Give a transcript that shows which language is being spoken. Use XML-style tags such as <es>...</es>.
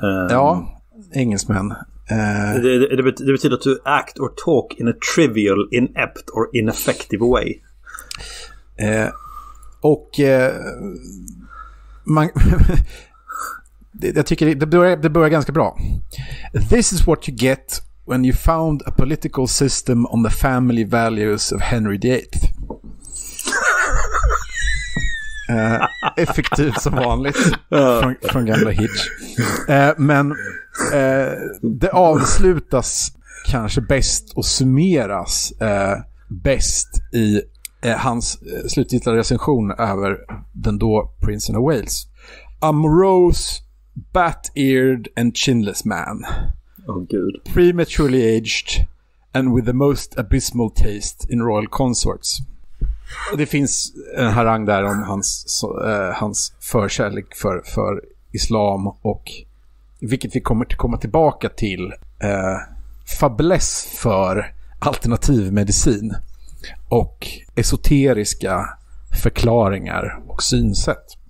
<sv>Ja, engelsmän. Det betyder att du</sv> <en>act or talk in a trivial, inept or ineffective way.</en> <sv>Man... Jag tycker det börjar ganska bra.</sv> <en>This is what you get when you found a political system on the family values of Henry VIII.</en> <sv>Effektivt som vanligt från gamla Hitch. Men det avslutas kanske bäst och summeras bäst i hans slutgiltiga recension över den då Prince of Wales.</sv> <en>Amorose, bat-eared and chinless man. Oh, good. Prematurely aged and with the most abysmal taste in royal consorts.</en> <sv>Och det finns en harang där om hans förkärlek för islam och vilket vi kommer att komma tillbaka till, fabless för alternativmedicin och esoteriska förklaringar och synsätt.</sv>